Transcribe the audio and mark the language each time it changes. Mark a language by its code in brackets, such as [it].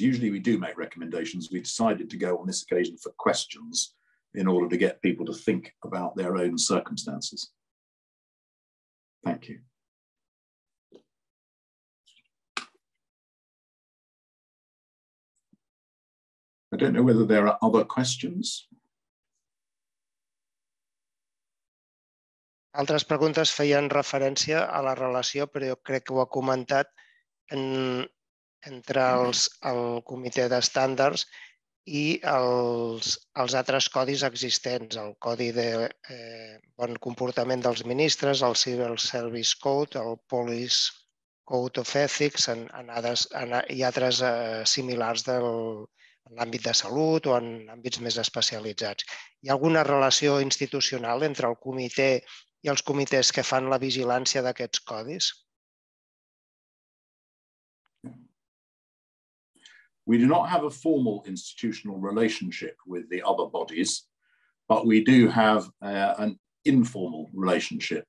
[en] Usually we do make recommendations. We decided to go on this occasion for questions in order to get people to think about their own circumstances. Thank you. I don't know whether there are other questions. [ca] Altres preguntes feien referència a la relació, però jo crec que ho ha comentat entre el comitè d'estàndards i els altres codis existents, el codi de bon comportament dels ministres, el Civil Service Code, el Police Code of Ethics i altres similars en l'àmbit de salut o en àmbits més especialitzats. Hi ha alguna relació institucional entre el comitè i els comitès que fan la vigilància d'aquests codis? [en] We do not have a formal institutional relationship with the other bodies, but we do have an informal relationship.